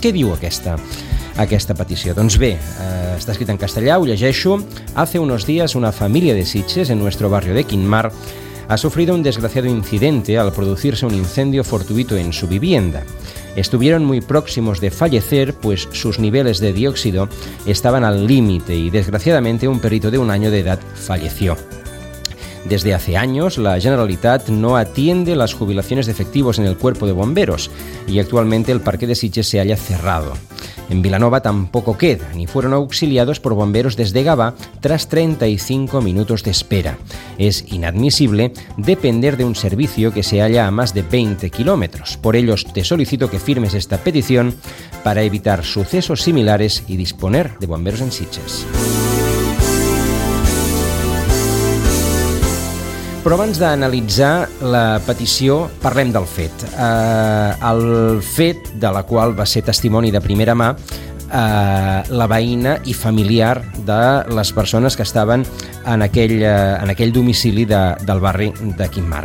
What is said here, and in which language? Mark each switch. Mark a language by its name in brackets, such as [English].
[Catalan] Què diu aquesta petició? Doncs bé, està escrit en castellà, ho llegeixo. [Spanish] Hace unos días una familia de Sitges en nuestro barrio de Quinmar ha sufrido un desgraciado incidente al producirse un incendio fortuito en su vivienda. Estuvieron muy próximos de fallecer, pues sus niveles de dióxido estaban al límite y, desgraciadamente, un perrito de un año de edad falleció. Desde hace años, la Generalitat no atiende las jubilaciones de efectivos en el cuerpo de bomberos y actualmente el parque de Sitges se halla cerrado. En Vilanova tampoco queda, ni fueron auxiliados por bomberos desde Gavà tras 35 minutos de espera. Es inadmisible depender de un servicio que se halla a más de 20 kilómetros. Por ello, te solicito que firmes esta petición para evitar sucesos similares y disponer de bomberos en Sitges. [Catalan] Però abans d'analitzar la petició, parlem del fet. El fet de la qual va ser testimoni de primera mà la veïna i familiar de les persones que estaven en aquell domicili del barri de Quinmar.